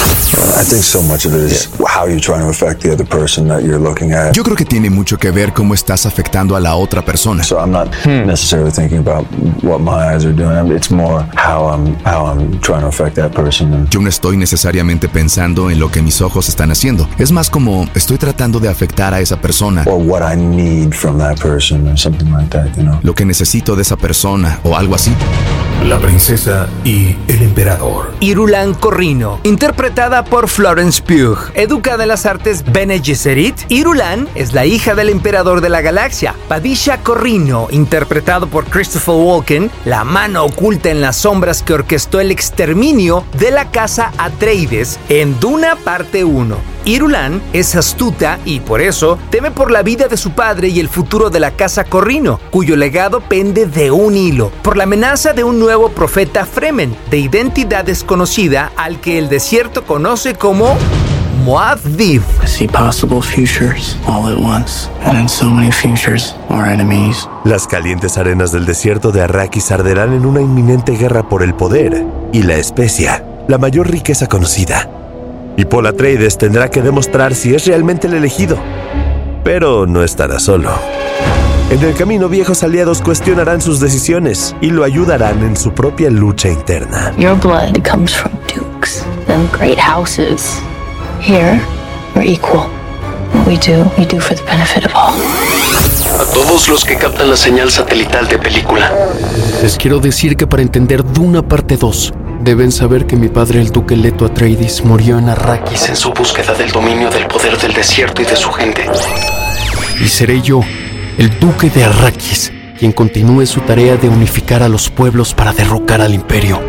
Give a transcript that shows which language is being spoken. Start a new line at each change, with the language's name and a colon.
English: I think so much of it is how you're trying to affect the other person that you're looking at.
Spanish: Yo creo que tiene mucho que ver cómo estás afectando a la otra persona.
English: So I'm not necessarily thinking about what my eyes are doing. It's more how I'm trying to affect that person.
Spanish: Yo no estoy necesariamente pensando en lo que mis ojos están haciendo. Es más como estoy tratando de afectar a esa persona.
English: Or what I need from that person, or something like that, you know.
Spanish: Lo que necesito de esa persona o algo así. La princesa y el emperador. Irulan Corrino, interpretada por Florence Pugh. Educada en las artes Bene Gesserit, Irulan es la hija del emperador de la galaxia. Padisha Corrino, interpretado por Christopher Walken, la mano oculta en las sombras que orquestó el exterminio de la casa Atreides en Duna Parte 1. Irulan es astuta y, por eso, teme por la vida de su padre y el futuro de la casa Corrino, cuyo legado pende de un hilo, por la amenaza de un nuevo profeta Fremen, de identidad desconocida, al que el desierto conoce como Muad'Dib.
English: See possible futures all at once, and in so many futures, our enemies.
Spanish: Las calientes arenas del desierto de Arrakis arderán en una inminente guerra por el poder y la especia, la mayor riqueza conocida. Y Paul Atreides tendrá que demostrar si es realmente el elegido. Pero no estará solo. En el camino, viejos aliados cuestionarán sus decisiones y lo ayudarán en su propia lucha interna.
English: Your blood comes from dukes, them great houses. Here, we're equal. What we do for the benefit of all.
Spanish: A todos los que captan la señal satelital de película, les quiero decir que para entender Duna Parte 2, deben saber que mi padre, el duque Leto Atreides, murió en Arrakis en su búsqueda del dominio del poder del desierto y de su gente. Y seré yo, el duque de Arrakis, quien continúe su tarea de unificar a los pueblos para derrocar al imperio.